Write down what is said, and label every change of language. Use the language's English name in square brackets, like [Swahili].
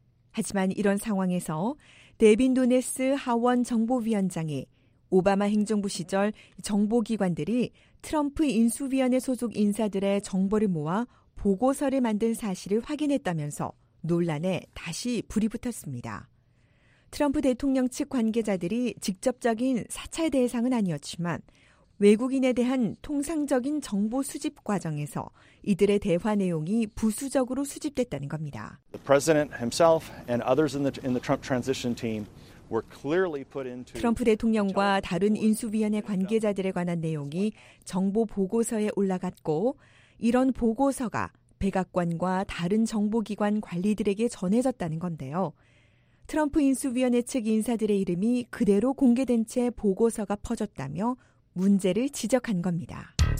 [Korean] 하지만 이런 상황에서 데빈 누네스 하원 정보위원장이 오바마 행정부 시절 정보기관들이 트럼프 인수위원회 소속 인사들의 정보를 모아 보고서를 만든 사실을 확인했다면서 논란에 다시 불이 붙었습니다. 트럼프 대통령 측 관계자들이 직접적인 사찰 대상은 아니었지만 외국인에 대한 통상적인 정보 수집 과정에서 이들의 대화 내용이 부수적으로 수집됐다는 겁니다. [English] The president himself and others in the Trump transition team were clearly put into [Korean] 트럼프 대통령과 다른 인수위원회 관계자들에 관한 내용이 정보 보고서에 올라갔고 이런 보고서가 백악관과 다른 정보기관 관리들에게 전해졌다는 건데요. 트럼프 인수위원회 측 인사들의 이름이 그대로 공개된 채 보고서가 퍼졌다며 문제를 지적한 겁니다.